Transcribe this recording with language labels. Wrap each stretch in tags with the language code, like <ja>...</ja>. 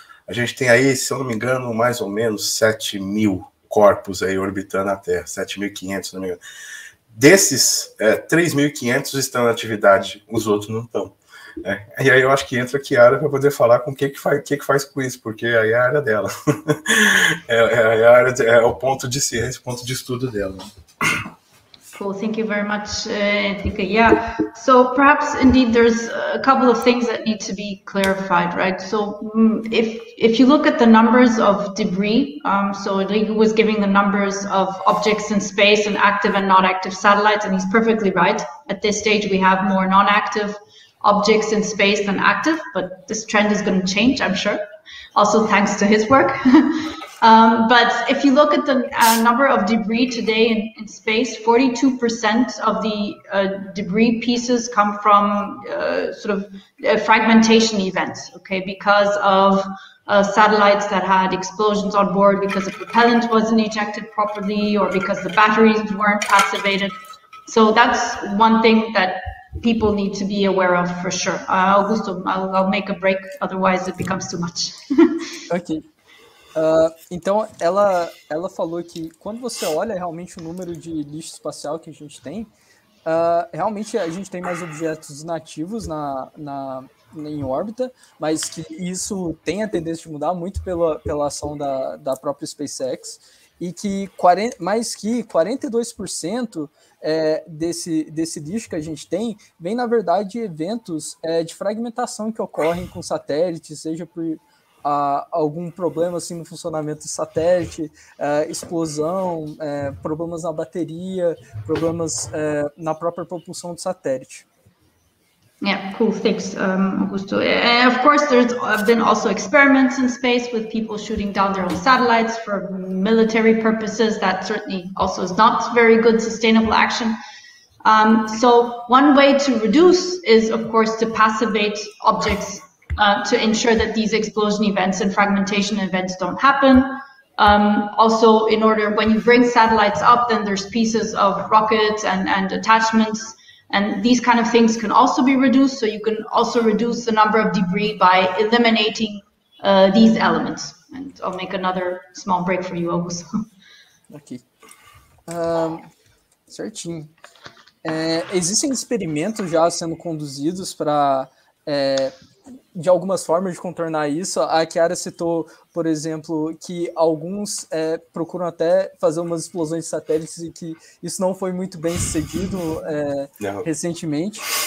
<pt>A gente tem aí, se eu não me engano, mais ou menos 7 mil corpos aí orbitando a Terra, 7.500, se não me engano. Desses, 3.500 estão em atividade, os outros não estão. É. E aí eu acho que entra a Chiara para poder falar com o que faz com isso, porque aí é a área dela. É o ponto de ciência, o ponto de estudo dela.</pt> <en>Cool, thank you very much, Tika. Yeah, so perhaps indeed there's a couple of things that need to be clarified, right? So if you look at the numbers of debris, so Rigo was giving the numbers of objects in space and active and not active satellites, and he's perfectly right. At this stage, we have more non-active objects in space than active, but this trend is going to change, I'm sure, also thanks to his work. but if you look at the number of debris today in space, 42% of the debris pieces come from sort of fragmentation events, okay, because of satellites that had explosions on board, because the propellant wasn't ejected properly, or because the batteries weren't activated. So that's one thing that people need to be aware of for sure. Augusto, I'll make a break, otherwise it becomes too much. Okay.</en> <pt>Então, ela falou que quando você olha realmente o número de lixo espacial que a gente tem, realmente a gente tem mais objetos inativos em órbita, mas que isso tem a tendência de mudar muito pela ação da própria SpaceX, e que mais que 42% desse lixo que a gente tem vem, na verdade, de eventos de fragmentação que ocorrem com satélites, seja por algum problema assim, no funcionamento do satélite, explosão, problemas na bateria, problemas na própria propulsão do satélite.</pt> <en>Yeah, cool, thanks, Augusto. And of course, there's been also experiments in space with people shooting down their own satellites for military purposes. That certainly also is not very good sustainable action. So one way to reduce is, of course, to passivate objects to ensure that these explosion events and fragmentation events don't happen. Also, in order, when you bring satellites up, then there's pieces of rockets and attachments, and these kind of things can also be reduced. So you can also reduce the number of debris by eliminating these elements. And I'll make another small break for you, Augusto.</en> <pt>Ok. Certinho. Existem experimentos já sendo conduzidos para... de algumas formas de contornar isso. A Kiara citou, por exemplo, que alguns procuram até fazer umas explosões de satélites e que isso não foi muito bem sucedido recentemente.</pt>